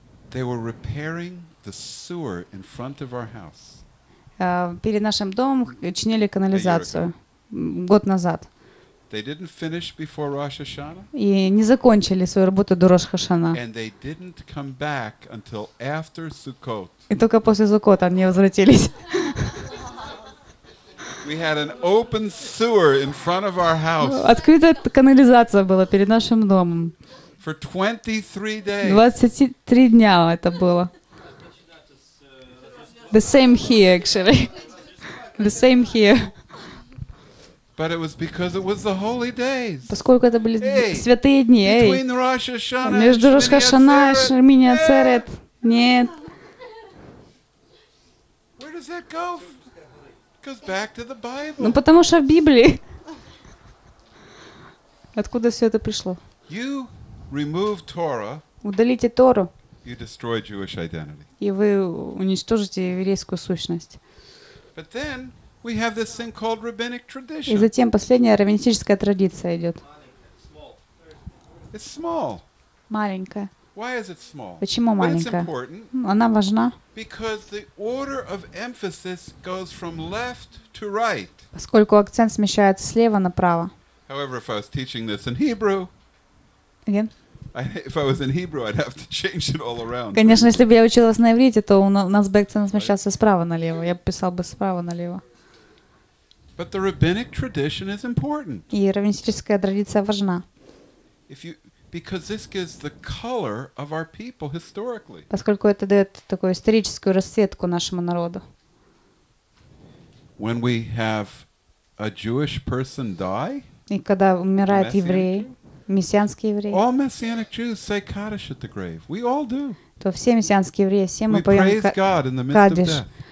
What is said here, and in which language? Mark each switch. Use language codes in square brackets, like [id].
[en] They were repairing the sewer in front of our house. [ru] Перед нашим домом чинили канализацию год назад. [en] They didn't finish before Rosh Hashanah. [ru] И не закончили свою работу до Рош Хашана. [en] And they didn't come back until after Sukkot. [ru] И только после Суккота они возвратились. [en] We had an open sewer in front of our house. [ru] Открытая канализация была перед нашим домом. [en] For 23 days. [ru] 23 дня это было. [en] The same here, actually. The same here. But it was because it was the holy days. [ru] Поскольку это были святые дни. [en] Between Rosh Hashanah. [ru] Между Рош Хашана и Шмини Ацерет. Нет. [en] Where do does that go? It goes back to the Bible. [ru] Ну потому что в Библии. Откуда все это пришло? [en] You remove Torah. [ru] Удалите Тору. [en] You destroy Jewish identity. [ru] И вы уничтожите еврейскую сущность. [en] But then we have this thing called rabbinic tradition. [ru] И затем последняя раввинистическая традиция идет. [en] It's small. [ru] Маленькая. [en] Why is it small? [ru] Почему маленькая? [en] But it's important. [ru] Она важна. [en] Because the order of emphasis goes from left to right. [ru] Поскольку акцент смещается слева направо. [en] However, if I was teaching this in Hebrew. Again. If I was in Hebrew, I'd have to change it all around. [ru] Конечно, если бы я училась на иврите, то у нас бы акцент смещался справа налево. Я бы писал бы справа налево. [en] But the rabbinic tradition is important. [ru] И раввинистическая традиция важна. [en] If you, because this gives the color of our people historically. [ru] Поскольку это дает такую историческую расцветку нашему народу. [en] When we have a Jewish person die. [ru] И когда умирает еврей. Мессианские евреи. [en] All messianic Jews say Kaddish at the grave. We all do. [ru] То все мессианские евреи, все мы поем Kaddish.